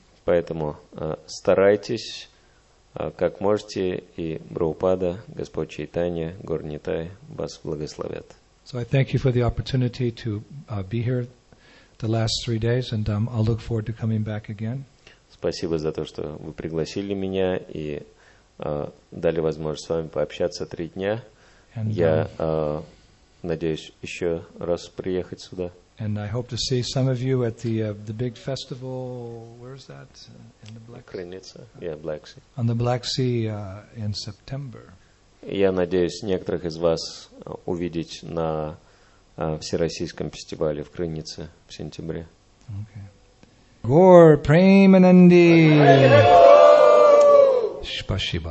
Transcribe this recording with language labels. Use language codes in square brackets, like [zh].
[ru] Поэтому старайтесь, как можете, и Прабхупада, Господь Чайтанья, Гор Нитай вас благословят. [en] So I thank you for the opportunity to be here the last three days, and I'll look forward to coming back again. [ru] Спасибо за то, что вы пригласили меня и дали возможность с вами пообщаться три дня. And, я надеюсь еще раз приехать сюда. [en] And I hope to see some of you at the big festival. Where is that? In the Black Sea. Yeah, Black Sea. On the Black Sea in September. [ru] Я надеюсь некоторых из вас увидеть на всероссийском фестивале в Крынице в сентябре. [en] Okay. [ru] Гор Премананди. Спасибо.